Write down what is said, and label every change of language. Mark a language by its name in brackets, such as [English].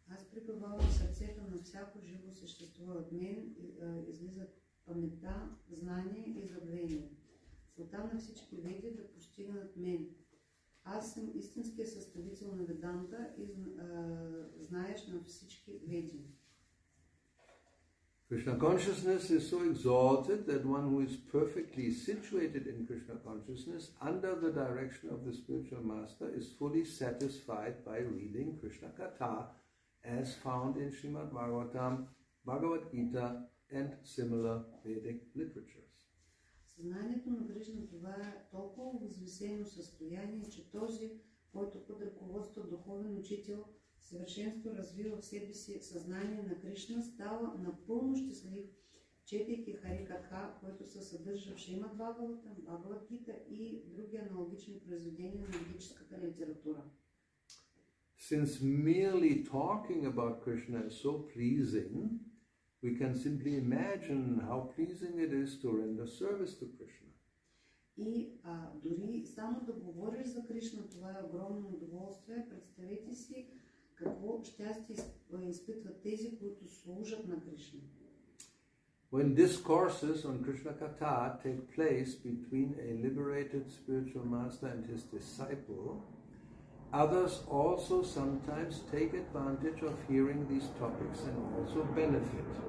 [Bulgarian] Пребивава в сърцето на всяко живо същество от мен, излиза паметта, знание и забвение. Целта на всички веди да постигнат мен. Аз съм истинския съставител на веданта и знаеш на всички веди. [English] Krishna consciousness is so exalted that one who is perfectly situated in Krishna consciousness under the direction of the spiritual master is fully satisfied by reading Krishna katha, as found in Srimad Bhagavatam, Bhagavad Gita and similar Vedic literatures. [Bulgarian] Съзнанието на Кришна това е толкова възвисено състояние, че този, който под ръководство духовен учител съвършенство развива в себе си съзнание на Кришна, става напълно щастлив, четейки Харикатха, който се съдържа в Шримад Бхагаватам, Бхагавад Гита и други аналогични произведения на ведическата литература. [English] Since merely talking about Krishna is so pleasing, we can simply imagine how pleasing it is to render service to Krishna. [Bulgarian] И дори само да говориш за Кришна, това е огромно удоволствие. Представете си какво щастие изпитват тези, които служат на Кришна. [English] When discourses on Krishna Katha take place between a liberated spiritual master and his disciple, others also sometimes take advantage of hearing these topics and also benefit.